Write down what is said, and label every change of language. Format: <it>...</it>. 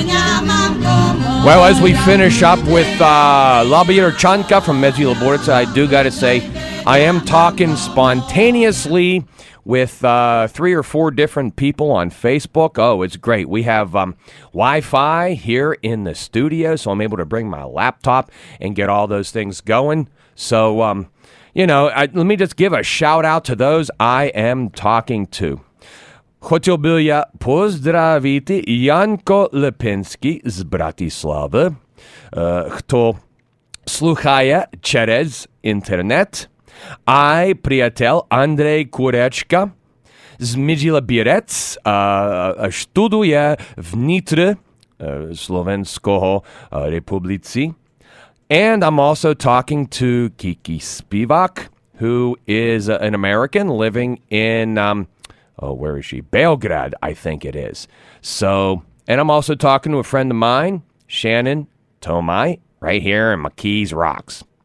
<en>Well, as we finish up with La Bieter Chanka from Mezi Laborica, I do got to say, I am talking spontaneously with three or four different people on Facebook. Oh, it's great. We have Wi-Fi here in the studio, so I'm able to bring my laptop and get all those things going. So, you know, let me just give a shout-out to those I am talking to.</en> <rue>Хотів би я поздравити Янко Лепінський з Братислави, хто слухає через інтернет. Ай, приятел Андрей Куречка з Мізілабірець студує в Нітрі Словенського Републіці.</rue> <en>And I'm also talking to Кікі Співак, who is an American living in... Oh, where is she? Belgrade, I think it is. So, and I'm also talking to a friend of mine, Shannon Tomai, right here in McKees Rocks.</en>